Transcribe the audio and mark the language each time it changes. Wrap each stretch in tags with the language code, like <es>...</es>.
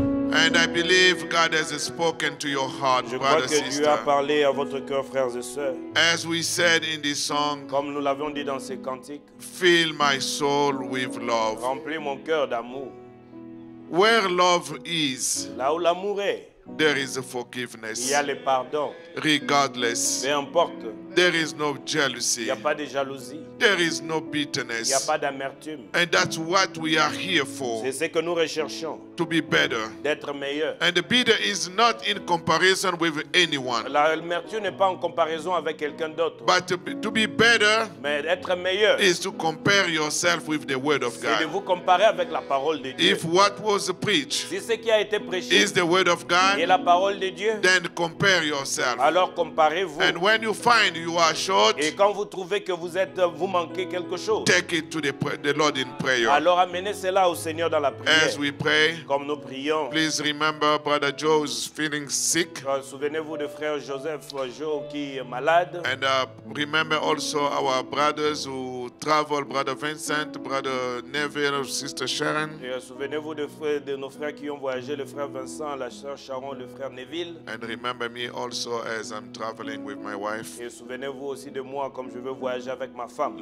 <en>And I believe God has spoken to your heart, brothers and sisters.</en> <fr>Dieu a parlé à votre cœur, frères et sœurs.</fr> <en>As we said in this song,</en> <fr>comme nous l'avions dit dans ces cantiques,</fr> <en>fill my soul with love.</en> <fr>Remplis mon cœur d'amour.</fr> <en>Where love is,</en> <fr>là où l'amour est,</fr> <en>there is a forgiveness.</en> <fr>Il y a le pardon.</fr> <en>Regardless,</en> <fr>peu importe,</fr> <en>there is no jealousy.</en> <fr>Il n'y a pas de jalousie.</fr> <en>There is no bitterness.</en> <fr>Il n'y a pas d'amertume.</fr> <en>And that's what we are here for.</en> <fr>C'est ce que nous recherchons.</fr> <en>To be better.</en> <fr>D'être meilleur.</fr> <en>And the bitter is not in comparison with anyone.</en> <fr>L'amertume n'est pas en comparaison avec quelqu'un d'autre.</fr> <en>But to be better.</en> <fr>Mais être meilleur.</fr> <en>Is to compare yourself with the word of God.</en> <fr>C'est de vous comparer avec la parole de Dieu.</fr> <en>If what was preached.</en> <fr>Si ce qui a été prêché.</fr> <en>Is the word of God.</en> <fr>Et la parole de Dieu.</fr> <en>Then compare yourself.</en> <fr>Alors comparez-vous.</fr> <en>And when you find you are short.</en> <fr>Et quand vous trouvez que vous êtes vous manquez quelque chose.</fr> <en>Take it to the Lord in prayer.</en> <fr>Alors amenez cela au Seigneur dans la prière.</fr> <en>As we pray.</en> <fr>Comme nous prions.</fr> <en>Please remember Brother Joe's feeling sick.</en> <fr>Souvenez-vous de frère Joseph Joe qui est malade.</fr> <en>And remember also our brothers who travel, Brother Vincent, Brother Neville, Sister Sharon.</en> <fr>Et souvenez-vous de nos frères qui ont voyagé, le frère Vincent, la sœur Sharon, le frère Neville.</fr> <en>And remember me also as I'm traveling with my wife.</en> <fr>Et souvenez-vous aussi de moi comme je veux voyager avec ma femme.</fr>